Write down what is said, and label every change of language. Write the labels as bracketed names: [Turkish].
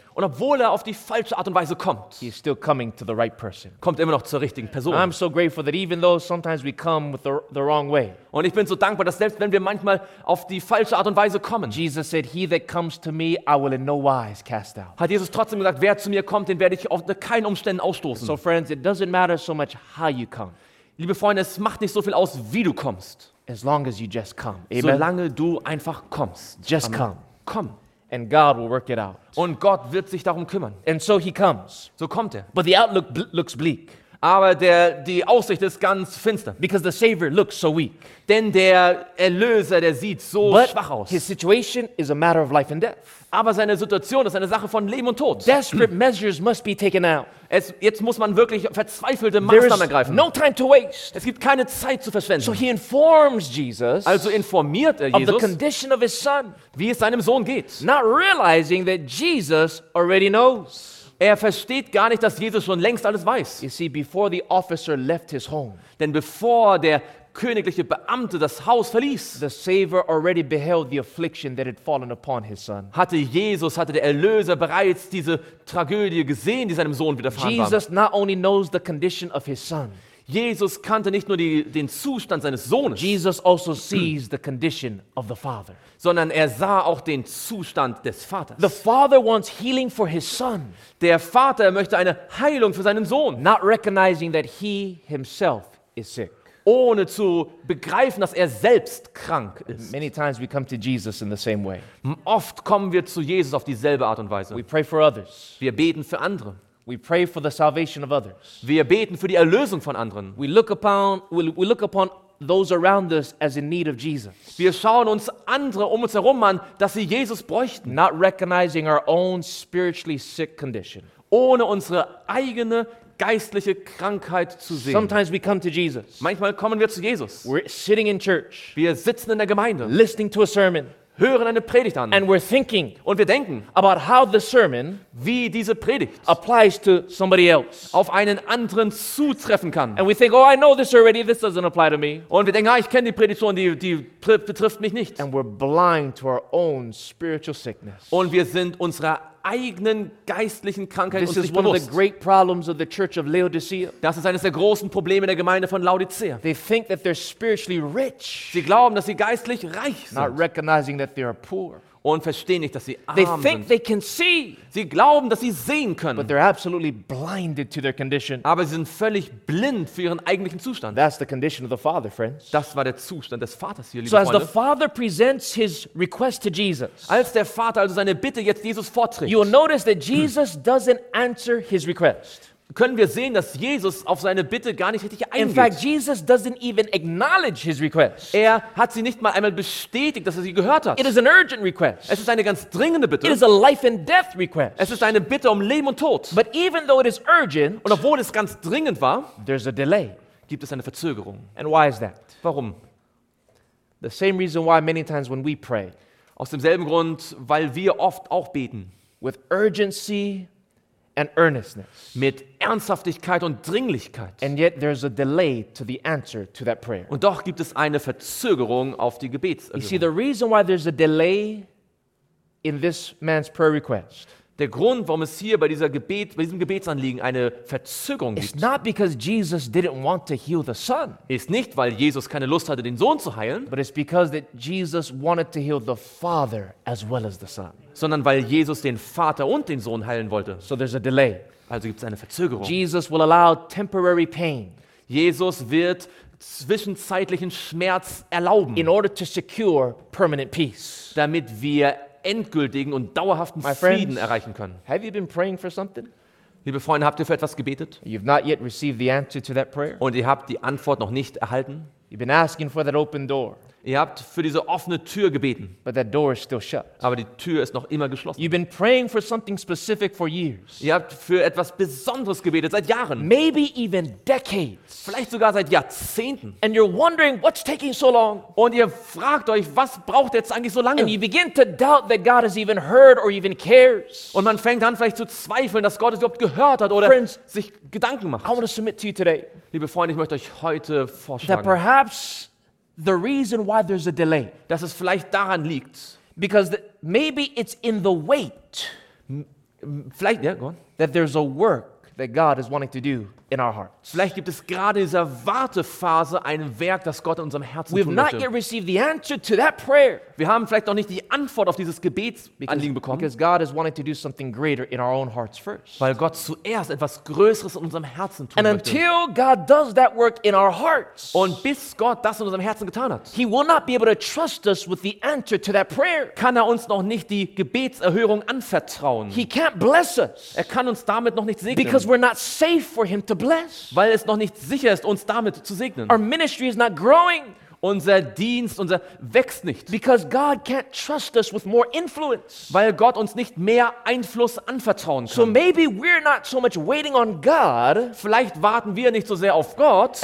[German] und obwohl er auf die falsche Art und Weise kommt, [English] he's still coming to the right person. [German] Kommt immer noch zur richtigen Person. [English] I'm so grateful that even though sometimes we come with the wrong way, [German] und ich bin so dankbar, dass selbst wenn wir manchmal auf die falsche Art und Weise kommen, [English] Jesus said, "He that comes to me, I will in no wise cast out." [German] Hat Jesus trotzdem gesagt, wer zu mir kommt, den werde ich unter keinen Umständen ausstoßen. [English] So friends, it doesn't matter so much how you come. [German] Liebe Freunde, es macht nicht so viel aus, wie du kommst. [English] As long as you just come. [German] Amen. Solange du einfach kommst. [English] Just come. [German] Komm. [English] And God will work it out. [German] Und Gott wird sich darum kümmern. [English] And so he comes. [German] So kommt er. [English] But the outlook looks bleak. [German] Aber die Aussicht ist ganz finster. [English] Because the Savior looks so weak. [German] Denn der Erlöser, der sieht so [English] But [German] schwach aus. [English] His situation is a matter of life and death. [German] Aber seine Situation ist eine Sache von Leben und Tod. [English] Desperate measures must be taken out. [German] Jetzt muss man wirklich verzweifelte Maßnahmen ergreifen. [English] No time to waste. [German] Es gibt keine Zeit zu verschwenden. [English] So he informs Jesus. [German] Also informiert er [English] Jesus. Of the condition of his son. [German] Wie es seinem Sohn geht. [English] Not realizing that Jesus already knows. [German] Er versteht gar nicht, dass Jesus schon längst alles weiß. [English] You see, before the officer left his home, [German] denn bevor der königliche Beamte das Haus verließ, [English] the Savior already beheld the affliction that had fallen upon his son. [German] Hatte der Erlöser bereits diese Tragödie gesehen, die seinem Sohn widerfahren war. [English] Jesus not only knows the condition of his son. [German] Jesus kannte nicht nur den Zustand seines Sohnes. [English] Jesus also sees the condition of the Father. [German] Sondern er sah auch den Zustand des Vaters. [English] The Father wants healing for his son. [German] Der Vater möchte eine Heilung für seinen Sohn. [English] Not recognizing that he himself is sick. [German] Ohne zu begreifen, dass er selbst krank ist. [English] Many times we come to Jesus in the same way. [German] Oft kommen wir zu Jesus auf dieselbe Art und Weise. [English] We pray for others. [German] Wir beten für andere. [English] We pray for the salvation of others. [German] Wir beten für die Erlösung von anderen. [English] We look upon those around us as in need of Jesus. [German] Wir schauen uns andere um uns herum an, dass sie Jesus bräuchten. [English] Not recognizing our own spiritually sick condition. [German] Ohne unsere eigene geistliche Krankheit zu sehen. [English] Sometimes we come to Jesus. [German] Manchmal kommen wir zu Jesus. [English] We're sitting in church. [German] Wir sitzen in der Gemeinde. [English] Listening to a sermon. [German] Hören eine Predigt an. [English] And we're thinking [German] und wir denken [English] about how the sermon, [German] wie diese Predigt [English] applies to somebody else, [German] auf einen anderen zutreffen kann. [English] And we think, oh, I know this already, this doesn't apply to me. [German] Und wir denken, ah, ich kenne die Predigt schon, die betrifft mich nicht. [English] And we're blind to our own spiritual sickness. [German] Und wir sind unserer eigenen geistlichen Krankheit uns nicht [English] This is one of the great problems of the church of Laodicea. [German] Das ist eines der großen Probleme der Gemeinde von Laodicea. [English] They think that they're spiritually rich. [German] Sie glauben, dass sie geistlich reich sind. [English] Not recognizing that they are poor. [German] und verstehen nicht, dass sie arm [English] they think [German] sind. [English] They can see, [German] sie glauben, dass sie sehen können. [English] But they're absolutely blinded to their condition. [German] Aber sie sind völlig blind für ihren eigentlichen Zustand. [English] That's the condition of the father, friends. [German] Das war der Zustand des Vaters hier, liebe [English] so [German] Freunde. [English] As the father presents his request to Jesus, [German] als der Vater also seine Bitte jetzt Jesus vorträgt, [English] you'll notice that Jesus doesn't answer his request. [German] Können wir sehen, dass Jesus auf seine Bitte gar nicht richtig eingeht. [English] In fact, Jesus doesn't even acknowledge his request. [German] Er hat sie nicht mal einmal bestätigt, dass er sie gehört hat. [English] It is an urgent request. [German] Es ist eine ganz dringende Bitte. [English] It is a life and death request. [German] Es ist eine Bitte um Leben und Tod. [English] But even though it is urgent, [German] und obwohl es ganz dringend war, [English] there's a delay. [German] Gibt es eine Verzögerung. [English] And why is that? [German] Warum? [English] The same reason why many times when we pray. [German] Aus demselben Grund, weil wir oft auch beten. [English] With urgency and earnestness. [German] Mit Ernsthaftigkeit und Dringlichkeit. [English] And yet there's a delay to the answer to that prayer. [German] Und doch gibt es eine Verzögerung auf die Gebetserhörung. [English] You see, the reason why there's a delay in this man's prayer request. [German] Der Grund, warum es hier bei dieser Gebet, bei diesem Gebetsanliegen eine Verzögerung gibt. [English] It's not because Jesus didn't want to heal the son. [German] Ist nicht, weil Jesus keine Lust hatte, den Sohn zu heilen. [English] But it's because that Jesus wanted to heal the father as well as the son. [German] Sondern weil Jesus den Vater und den Sohn heilen wollte. [English] So there's a delay. [German] Also gibt es eine Verzögerung. [English] Jesus will allow temporary pain. [German] Jesus wird zwischenzeitlichen Schmerz erlauben. [English] In order to secure permanent peace. [German] Damit wir endgültigen und dauerhaften [English] My friends, [German] Frieden erreichen können. [English] Have you been praying for something? [German] Liebe Freunde, habt ihr für etwas gebetet? [English] You've not yet received the answer to that prayer. [German] Und ihr habt die Antwort noch nicht erhalten? [English] You've been asking for that open door. [German] Ihr habt für diese offene Tür gebeten. [English] But that door is still shut. [German] Aber die Tür ist noch immer geschlossen. [English] You've been praying for something specific for years. [German] Ihr habt für etwas Besonderes gebetet seit Jahren. [English] Maybe even decades. [German] Vielleicht sogar seit Jahrzehnten. [English] And you're wondering what's taking so long. [German] Und ihr fragt euch, was braucht jetzt eigentlich so lange? [English] And you begin to doubt that God has even heard or even cares. [German] Und man fängt an vielleicht zu zweifeln, dass Gott es überhaupt gehört hat oder [English] Friends, [German] sich Gedanken macht. [English] I want to submit to you today. [German] Liebe Freunde, ich möchte euch heute vorschlagen. [English] That perhaps the reason why there's a delay, [German] dass es vielleicht daran liegt, [English] because maybe it's in the wait, [German] vielleicht, [English] yeah, go on, that there's a work that God is wanting to do in our hearts. [German] Vielleicht gibt es gerade in dieser Wartephase ein Werk, das Gott in unserem Herzen [English] We've [German] tun [English] not [German] möchte. [English] Yet received the answer to that prayer. [German] Wir haben vielleicht noch nicht die Antwort auf dieses Gebetsanliegen bekommen. [English] Because God is wanting to do something greater in our own hearts first. [German] Weil Gott zuerst etwas Größeres in unserem Herzen tun [English] And [German] möchte. [English] Until God does that work in our hearts, [German] und bis Gott das in unserem Herzen getan hat, [English] He will not be able to trust us with the answer to that prayer. [German] Kann er uns noch nicht die Gebetserhörung anvertrauen. [English] He can't bless us. [German] Er kann uns damit noch nicht segnen. [English] Because we're not safe for Him to [German] weil es noch nicht sicher ist, uns damit zu segnen. [English] Our ministry is not growing. [German] Unser Dienst, unser wächst nicht. [English] Because God can't trust us with more influence. [German] Weil Gott uns nicht mehr Einfluss anvertrauen kann. [English] So maybe we're not so much waiting on God. [German] Vielleicht warten wir nicht so sehr auf Gott.